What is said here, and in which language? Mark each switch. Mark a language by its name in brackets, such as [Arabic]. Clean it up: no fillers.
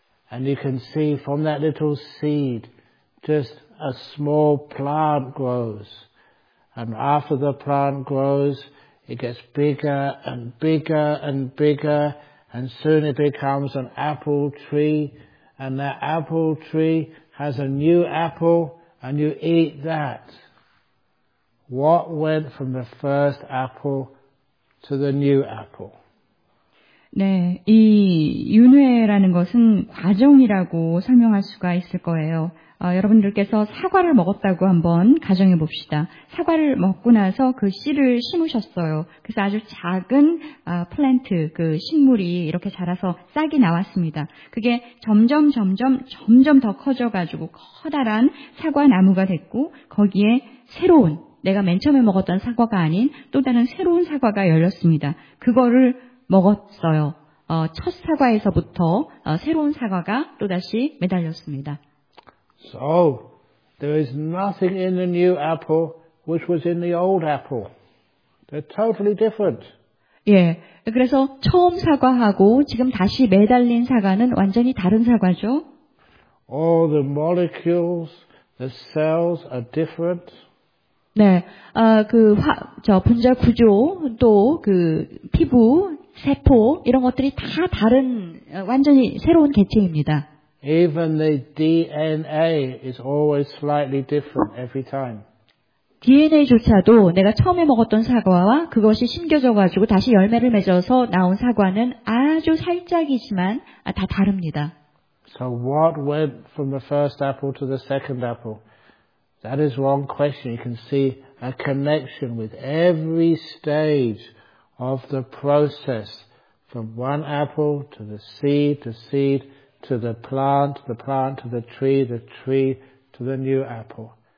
[English] And you can see from that little seed just a small plant grows, and after the plant grows, it gets bigger and bigger and bigger, and soon it becomes an apple tree, and that apple tree has a new apple, and you eat that. What went from the first apple to the new apple? [Korean] 네, 이 윤회라는 것은 과정이라고 설명할 수가 있을 거예요. 여러분들께서 사과를 먹었다고 한번 가정해 봅시다. 사과를 먹고 나서 그 씨를 심으셨어요. 그래서 아주 작은 플랜트, 그 식물이 이렇게 자라서 싹이 나왔습니다. 그게 점점 더 커져가지고 커다란 사과나무가 됐고 거기에 새로운, 내가 맨 처음에 먹었던 사과가 아닌 또 다른 새로운 사과가 열렸습니다. 그거를 먹었어요. 첫 사과에서부터 새로운 사과가 또다시 매달렸습니다. [English] So, there is nothing in the new apple which was in the old apple. They're totally different. [Korean] 예, 그래서 처음 사과하고 지금 다시 매달린 사과는 완전히 다른 사과죠. [English] All the molecules, the cells are different. [Korean] 네, 분자 구조, 또 그 피부, 세포 이런 것들이 다 다른, 완전히 새로운 개체입니다. [English] Even the DNA is always slightly different every time. [Korean] DNA조차도 내가 처음에 먹었던 사과와 그것이 심겨져 가지고 다시 열매를 맺어서 나온 사과는 아주 살짝이지만 다 다릅니다. [English] So what went from the first apple to the second apple? That is one question. You can see a connection with every stage of the process from one apple to the seed, to seed, to the plant to the tree to the new apple.